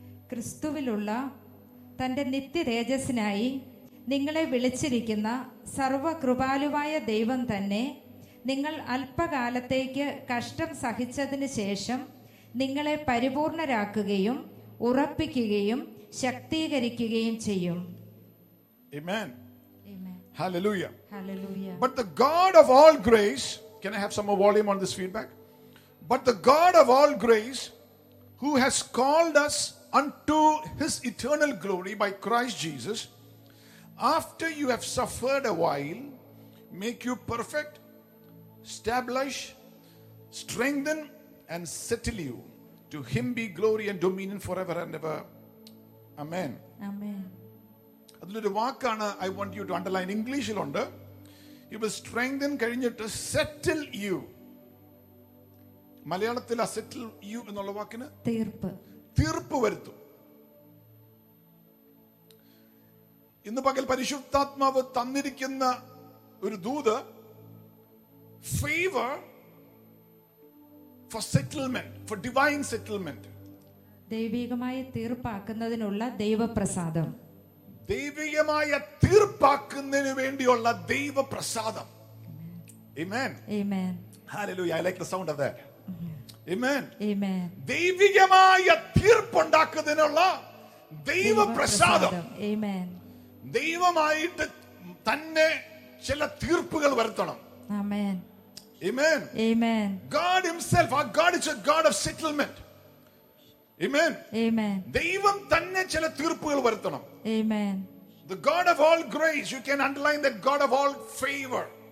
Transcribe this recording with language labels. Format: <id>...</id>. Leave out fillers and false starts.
<ml>ക്രിസ്തുവിലുള്ള തന്റെ നിത്യ തേജസ്സിനായി നിങ്ങളെ വിളിച്ചിരിക്കുന്ന സർവകൃപാലുവായ ദൈവം തന്നെ നിങ്ങൾ അല്പകാലത്തേക്ക് കഷ്ടം സഹിച്ചതിന് ശേഷം നിങ്ങളെ പരിപൂർണരാക്കുകയും ഉറപ്പിക്കുകയും ശക്തീകരിക്കുകയും ചെയ്യും. ആമേൻ. Hallelujah. Hallelujah.</ml> <en>But the God of all grace, can I have some more volume on this feedback? But the God of all grace, who has called us unto his eternal glory by Christ Jesus, after you have suffered a while, make you perfect, establish, strengthen, and settle you. To him be glory and dominion forever and ever. Amen. Amen.</en> <ml>അതിലൊരു വാക്കാണ്,</ml> <en>I want you to underline,</en> <ml>ഇംഗ്ലീഷിലുണ്ട്.</ml> <en>He will strengthen</en> <ml>കഴിഞ്ഞിട്ട്</ml> <en>settle you.</en> <ml>മലയാളത്തിൽ ആ</ml> <en>settle you</en> <ml>എന്നുള്ള വാക്കിന് തീർപ്പ് വരുത്തും. ഇന്ന് പകൽ പരിശുദ്ധാത്മാവ് തന്നിരിക്കുന്ന ഒരു ദൂത്</ml> <en>favour for settlement for divine settlement</en> <ml>ദൈവികമായി തീർപ്പാക്കുന്നതിനുള്ള ദൈവപ്രസാദം ദൈവികമായ തീർപ്പാക്കുന്നതിന് വേണ്ടിയുള്ള ദൈവപ്രസാദം. ആമേൻ. ആമേൻ.</ml> <en>Hallelujah. I like the sound of that.</en> <ml>ആമേൻ. ആമേൻ. ദൈവികമായ തീർപ്പുണ്ടാക്കുന്നതിനുള്ള ദൈവപ്രസാദം. ആമേൻ. ദൈവമായിട്ട് തന്നെ ചില തീർപ്പുകൾ വരുത്തണം. ആമേൻ. ആമേൻ. ആമേൻ.</ml> <en>God himself, our God is a God of settlement.</en> <ml>ആമേൻ. ആമേൻ. ദൈവം തന്നെ ചില തീർപ്പുകൾ വരുത്തണം. ആമേൻ.</ml> <en>The God of all grace, you can underline that, God of all favor.</en>